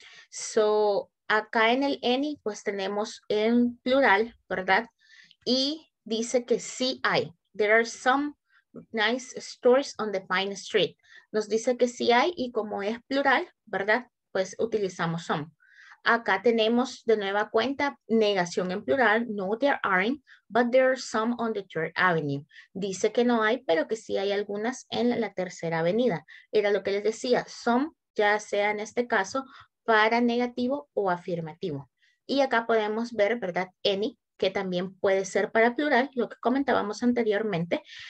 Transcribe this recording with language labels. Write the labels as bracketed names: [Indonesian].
[Spanish] So, acá en el any, pues tenemos en plural, ¿verdad? Y dice que sí hay, [English] there are some nice stores on the fine street. [Spanish] Nos dice que sí hay y como es plural, ¿verdad? Pues utilizamos some. Acá tenemos de nueva cuenta negación en plural. [English] No, there aren't, but there are some on the third avenue. [Spanish] Dice que no hay, pero que sí hay algunas en la tercera avenida. Era lo que les decía, some, ya sea en este caso, para negativo o afirmativo. Y acá podemos ver, ¿verdad? Any, que también puede ser para plural, lo que comentábamos anteriormente.